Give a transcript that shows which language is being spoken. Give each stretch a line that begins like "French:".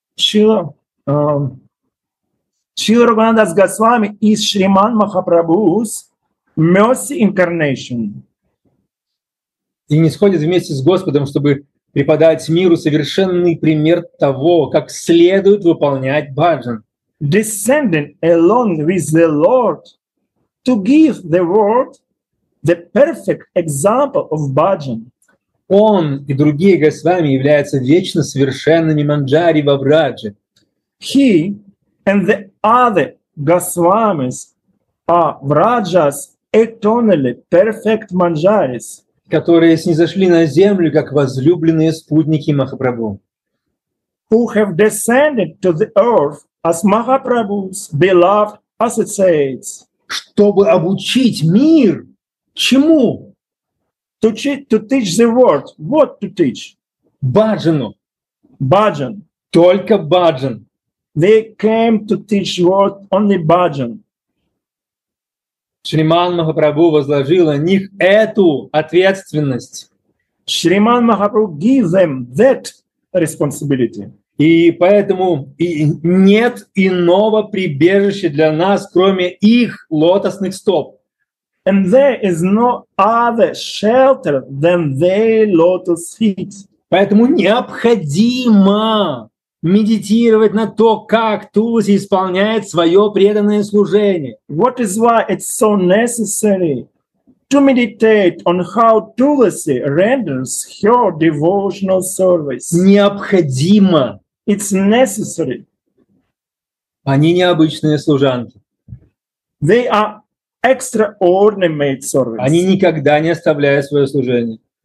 English: Шрила Рагхунат Дас Госвами is Шриман Махапрабху's mercy incarnation.
Russian: И нисходит вместе с Господом, чтобы преподать миру совершенный пример того, как следует выполнять бхаджан.
English: Descending along with the Lord to give the world the perfect example of bhajan.
Russian: Он и другие госвами являются вечно совершенными манджари во врадже.
English: He and the other госвамис are vrajas eternally perfect manjaris,
Russian: которые снизошли на землю как возлюбленные спутники Махапрабху.
English: Who have descended to the earth as Mahaprabhu's beloved associates,
Russian: чтобы обучить мир чему?
English: To teach the world. What to teach?
Russian: Баджану. Баджан. Только баджан.
English: They came to teach world only баджан.
Russian: Шриман Махапрабху возложил на них эту ответственность.
English: Шриман Махапрабху gave them that responsibility.
Russian: И поэтому нет иного прибежища для нас, кроме их лотосных стоп.
English: And there is no other shelter than their lotus feet.
Russian: Поэтому необходимо медитировать на то, как Туласи исполняет свое преданное служение.
English: What is why it's so necessary to meditate on how Tulasi renders her devotional service.
Russian: Необходимо.
English: It's necessary.
Russian: Они необычные служанки.
English: They are extraordinary maid servants.
Russian: Они никогда не оставляют свое служение.